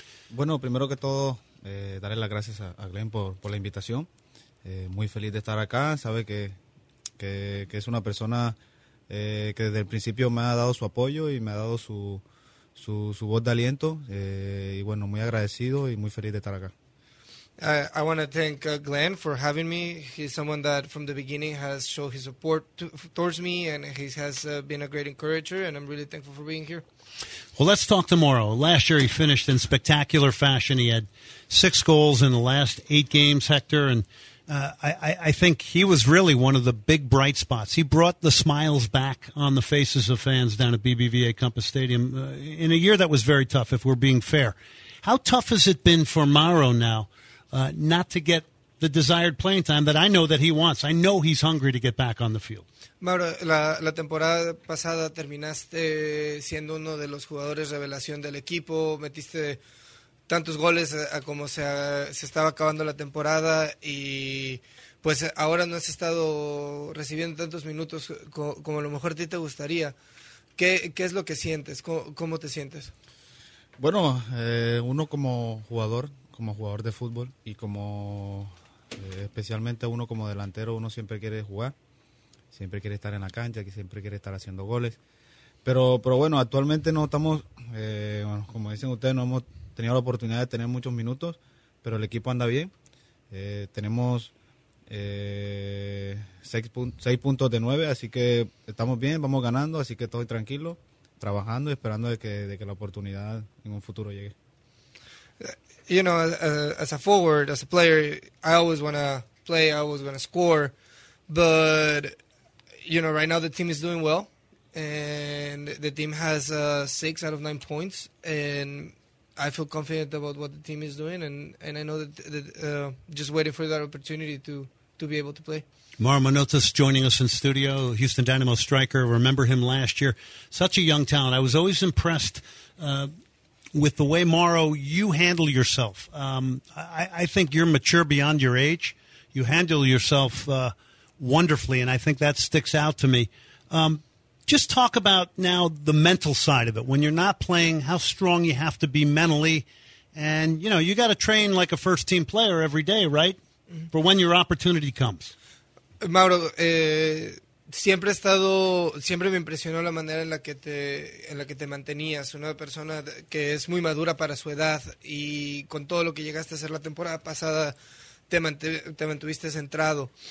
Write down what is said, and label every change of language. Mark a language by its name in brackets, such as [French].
[Spanish] Bueno, primero que todo, darle las gracias a Glenn por la invitación. Muy feliz de estar acá. Sabe que es una persona que desde el principio me ha dado su apoyo y me ha dado su voz de aliento. Y bueno, muy agradecido y muy feliz de estar acá. [English] I want to thank Glenn for having me. He's someone that from the beginning has shown his support towards me, and he has been a great encourager, and I'm really thankful for being here. Well, let's talk tomorrow. Last year he finished in spectacular fashion. He had 6 goals in the last 8 games, Hector, and I think he was really one of the big bright spots. He brought the smiles back on the faces of fans down at BBVA Compass Stadium in a year that was very tough, if we're being fair. How tough has it been for Mauro now? Not to get the desired playing time that I know that he wants. I know he's hungry to get back on the field. [Spanish] Mauro, la temporada pasada terminaste siendo uno de los jugadores revelación del equipo. Metiste tantos goles como se estaba acabando la temporada. Y pues ahora no has estado recibiendo tantos minutos como a lo mejor a ti te gustaría. ¿Qué es lo que sientes? ¿Cómo te sientes? Bueno, uno como jugador de fútbol y como especialmente uno como delantero, uno siempre quiere jugar, siempre quiere estar en la cancha, que siempre quiere estar haciendo goles, pero bueno, actualmente no estamos, bueno, como dicen ustedes, no hemos tenido la oportunidad de tener muchos minutos, pero el equipo anda bien, tenemos 6 puntos de 9, así que estamos bien, vamos ganando, así que estoy tranquilo, trabajando y esperando de que la oportunidad en un futuro llegue. [English] You know, as a forward, as a player, I always want to play, I always want to score. But, you know, right now the team is doing well. And the team has 6 out of 9 points. And I feel confident about what the team is doing. And I know that just waiting for that opportunity to be able to play. Mauro Manotas joining us in studio, Houston Dynamo striker. Remember him last year. Such a young talent. I was always impressed with the way, Mauro, you handle yourself. I think you're mature beyond your age. You handle yourself wonderfully, and I think that sticks out to me. Just talk about now the mental side of it. When you're not playing, how strong you have to be mentally. And, you know, you got to train like a first-team player every day, right, mm-hmm. for when your opportunity comes. [Spanish] Mauro, siempre ha estado, siempre me impresionó la manera en la que te, mantenías, una persona que es muy madura para su edad, y con todo lo que llegaste a hacer la temporada pasada, te mantuviste centrado.